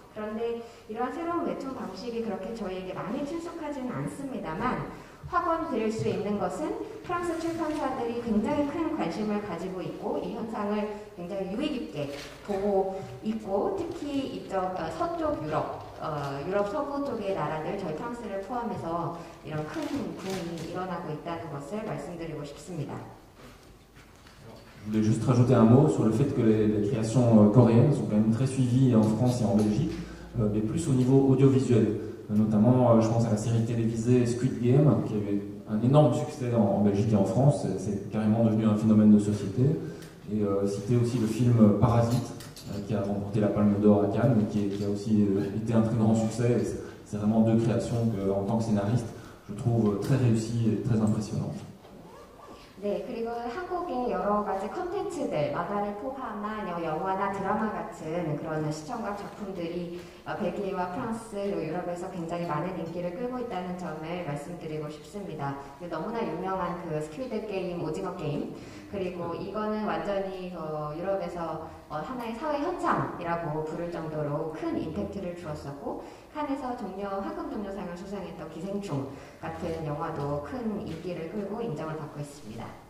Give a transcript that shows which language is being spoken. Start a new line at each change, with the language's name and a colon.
Korean: 그런데 이러한 새로운 웹툰 방식이 그렇게 저희에게 많이 친숙하지는 않습니다만, 확언 드릴 수 있는 것은 프랑스 출판사들이 굉장히 큰 관심을 가지고 있고, 이 현상을 굉장히 유의 깊게 보고 있고, 특히 이쪽 서쪽 유럽, 유럽 서부 쪽의 나라들, 저희 프랑스를 포함해서 이런 큰 붐이 일어나고 있다는 것을 말씀드리고 싶습니다.
French: Je voulais juste rajouter un mot sur le fait que les créations coréennes sont quand même très suivies en France et en Belgique, mais plus au niveau audiovisuel. Notamment, je pense à la série télévisée Squid Game, qui avait un énorme succès en Belgique et en France. C'est carrément devenu un phénomène de société. Et citer aussi le film Parasite, qui a remporté la Palme d'Or à Cannes, et qui a aussi été un très grand succès. C'est vraiment deux créations que, en tant que scénariste, je trouve très réussies et très impressionnantes.
Korean: 네, 그리고 한국의 여러 가지 콘텐츠들, 만화를 포함한 영화나 드라마 같은 그런 시청각 작품들이 벨기에와 프랑스, 유럽에서 굉장히 많은 인기를 끌고 있다는 점을 말씀드리고 싶습니다. 너무나 유명한 그 스퀴드 게임, 오징어 게임, 그리고 이거는 완전히 유럽에서 하나의 사회 현상이라고 부를 정도로 큰 임팩트를 주었었고, 칸에서 화금 동료상을 수상했던 기생충 같은 영화도 큰 인기를 끌고 인정을 받고 있습니다.